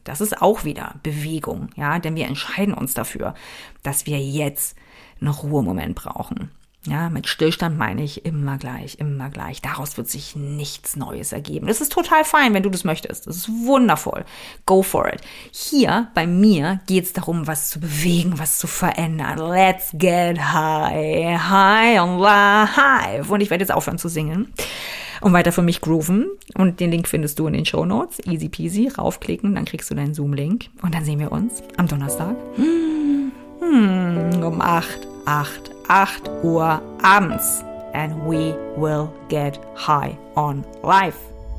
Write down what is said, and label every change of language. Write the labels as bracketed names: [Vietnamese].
[German] Das ist auch wieder Bewegung, ja, denn wir entscheiden uns dafür, dass wir jetzt einen Ruhemoment brauchen. Ja, mit Stillstand meine ich immer gleich, immer gleich. Daraus wird sich nichts Neues ergeben. Das ist total fein, wenn du das möchtest. Das ist wundervoll. [English] Go for it. [German] Hier bei mir geht es darum, was zu bewegen, was zu verändern. [English] Let's get high, high on life. [German] Und ich werde jetzt aufhören zu singen und weiter für mich grooven. Und den Link findest du in den Shownotes. [English] Easy peasy. [German] Raufklicken, dann kriegst du deinen Zoom-Link. Und dann sehen wir uns am Donnerstag. Um 8 Uhr abends, [English] and we will get high on life.